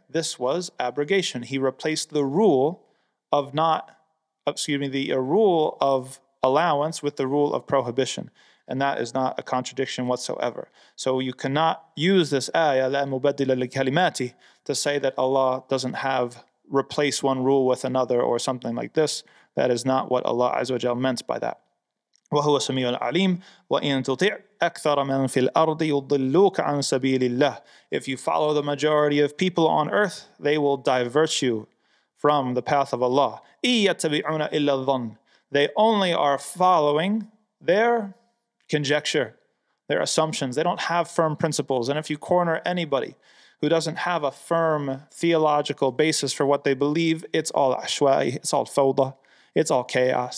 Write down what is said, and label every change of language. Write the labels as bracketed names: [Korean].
[English] This was abrogation. He replaced the rule of a rule of allowance with the rule of prohibition. And that is not a contradiction whatsoever. So you cannot use this ayah, [Arabic] لَا مُبَدِّلَ لِكَلِمَاتِ, [English] to say that Allah doesn't have replace one rule with another or something like this. That is not what Allah Azza wa Jal meant by that. [Arabic] وهو سميع العليم وإن تطيع أكثر من في الأرض يضلوك عن سبيل الله. [English] If you follow the majority of people on earth, they will divert you from the path of Allah. [Arabic] إن يتبعون إلا الظن. [English] They only are following their conjecture, their assumptions. They don't have firm principles. And if you corner anybody who doesn't have a firm theological basis for what they believe, it's all ashwa'i, it's all fawda, it's all chaos.